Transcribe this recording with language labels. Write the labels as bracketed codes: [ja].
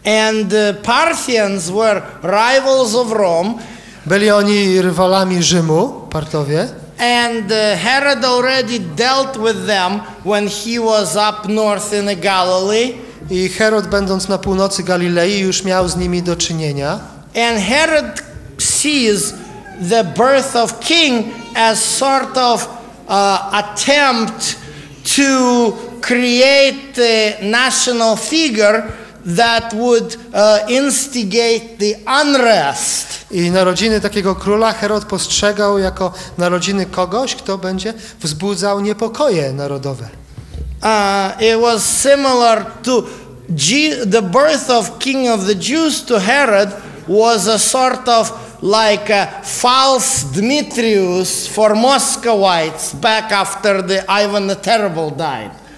[en] And Parthians were rivals of Rome. [pl] Byli oni rywalami Rzymu, Partowie. [en] And Herod already dealt with them when he was up north in the Galilee. [pl] I Herod, będąc na północy Galilei, już miał z nimi do czynienia. [en] And Herod sees the birth of king as sort of attempt to create the national figure that would instigate the unrest. [pl] I narodziny takiego króla Herod postrzegał jako narodziny kogoś, kto będzie wzbudzał niepokoje narodowe. [en] It was similar to the birth of King of the Jews to Herod was a sort of like a false Demetrius for Moscovites back after the Ivan the Terrible died.